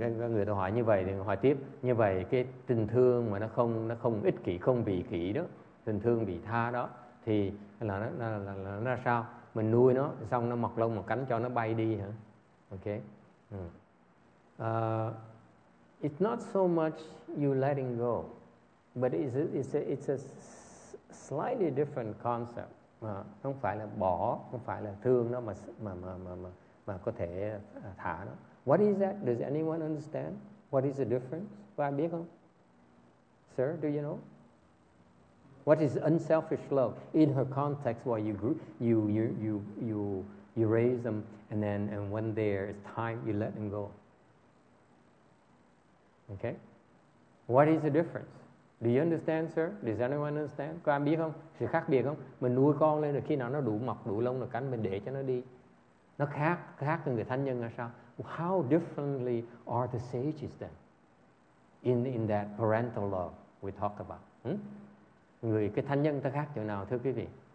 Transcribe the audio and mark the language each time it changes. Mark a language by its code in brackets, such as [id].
[vi] Người ta hỏi như vậy thì hỏi tiếp, như vậy cái tình thương mà nó không ích kỷ, không vị kỷ đó, tình thương vị tha đó, thì là sao? Mình nuôi nó xong nó mọc lông một cánh cho nó bay đi hả? [en] Okay. It's not so much you letting go, but it's a slightly different concept. [vi] Không phải là bỏ, không phải là thương nó mà có thể thả nó. [en] What is that? Does anyone understand? What is the difference? [vi] Và biết không? [en] Sir, do you know? What is unselfish love in her context? Where you raise them and when there is time, you let them go. Okay. What is the difference? Do you understand, sir? Does anyone understand? [vi] Có ai biết không? Sự khác biệt không? Mình nuôi con lên rồi khi nào nó đủ mọc đủ lông rồi cánh mình để cho nó đi. Nó khác hơn người thánh nhân là sao? [en] How differently are the sages then in that parental love we talk about? [vi] Người cái thánh nhân ta khác chỗ nào thưa quý vị?